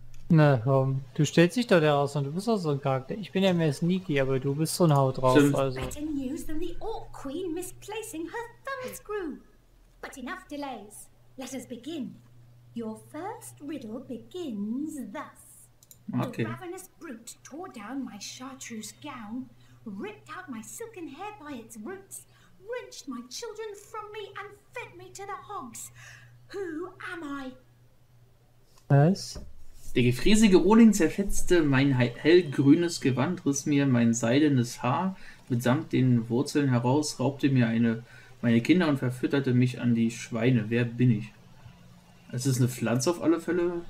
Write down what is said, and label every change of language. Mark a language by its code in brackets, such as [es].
[de] Na komm, du stellst dich doch heraus und du bist doch so ein Charakter. Ich bin ja mehr sneaky, aber du bist so ein Hau drauf, Stimmt. also. [en] Better news than the Orc Queen misplacing her thumbscrew. But enough delays. Let us begin. Your first riddle begins thus. The Okay. ravenous brute tore down my chartreuse gown. Ripped out my silken hair by its roots, wrenched my children from me and fed me to the hogs. Who am I? [de] Was? Der gefräßige Rohling zerfetzte mein hellgrünes Gewand, riss mir mein seidenes Haar mitsamt den Wurzeln heraus, raubte mir meine Kinder und verfütterte mich an die Schweine. Wer bin ich? Es ist eine Pflanze auf alle Fälle.